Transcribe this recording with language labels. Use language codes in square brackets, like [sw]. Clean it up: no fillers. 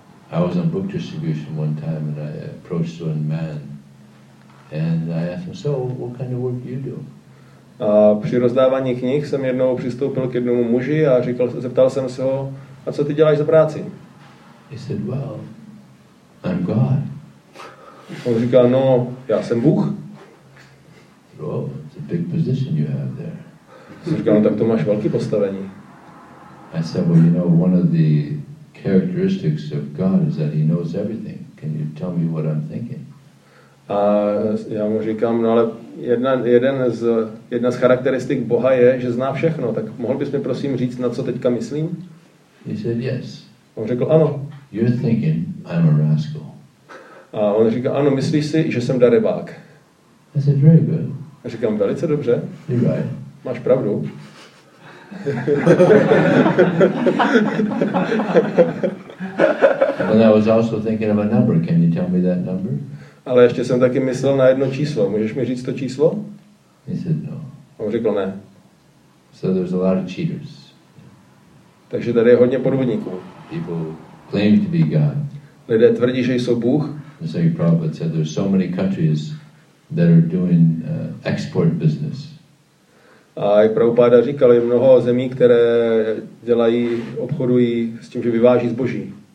[en] I was on book distribution one time and I approached one man and I asked him, so what kind of work do you do? [cs] A při rozdávání knih jsem jednou přistoupil k jednomu muži a zeptal jsem se ho, a co ty děláš za práci? [en] He said, well, I'm God. [cs] On říkal, no, já jsem Bůh. [en] Oh, it's a big position you have there. [cs] Říkal, no, tak to máš velký postavení. [en] I said, well, you know, one of the characteristics of God is that he knows everything. Can you tell me what I'm thinking? [cs] A já mu říkám, no ale jedna z charakteristik Boha je, že zná všechno. Tak mohl bys mi prosím říct, na co teďka myslím? [en] He said yes. [cs] On řekl ano. [en] You're thinking I'm a rascal. [cs] A on říkal ano, myslíš si, že jsem darebák? [en] I said very good. [cs] A říkám velice dobře. [en] You're right. [cs] Máš pravdu. [en] And I was also thinking of a number. Can you tell me that number? [cs] Ale ještě jsem taky myslel na jedno číslo. Můžeš mi říct to číslo? [en] He said no. [cs] On řekl ne. [en] So there's a lot of cheaters. [cs] Takže tady je hodně podvodníků. [en] People claim to be God. [cs] Lidé tvrdí, že jsou Bůh. [en] So you probably said there's so many countries that are doing export business. [cs] A jak Prabhupáda říkal, je mnoho zemí, které dělají, obchodují s tím, že vyváží zboží.